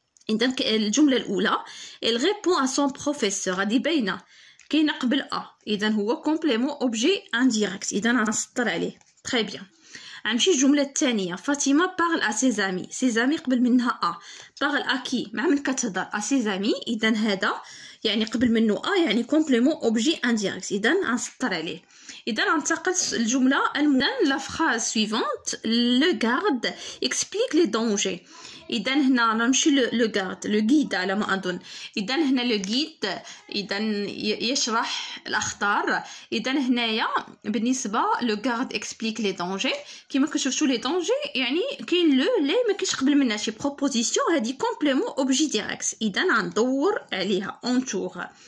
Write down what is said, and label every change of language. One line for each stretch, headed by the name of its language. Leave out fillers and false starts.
Arabic: إذا الجملة الأولى
French: il répond à son professeur،
Arabic: غادي باينة كاينة قبل أ، إذا هو complément objet indirect، إذا أنا نسطر عليه. تخي بيان، غنمشي الجملة الثانية فاطمة
French: parle à ses amis،
Arabic: ses amis قبل منها أ،
French: parle à qui
Arabic: مع من كتهضر
French: à ses amis،
Arabic: إذا هذا يعني قبل منه أ يعني complément objet indirect، إذا نسطر عليه. إذا ننتقل الجملة المهم
French: la phrase suivante le garde explique les dangers.
Arabic: إذا هنا نمشي
French: لو غارد لو غيد
Arabic: على ما أظن. إذا هنا لو غيد إذا يشرح الأخطار. إذا هنايا بالنسبة
French: لو غارد إكسبليك لي دونجي،
Arabic: كيما كتشوفو لي دونجي يعني كاين لو لي مكاينش قبل منها شي بروبوزيسيون، هادي كومبليمون أوبجي ديريكت، إذا غندور عليها أونتور.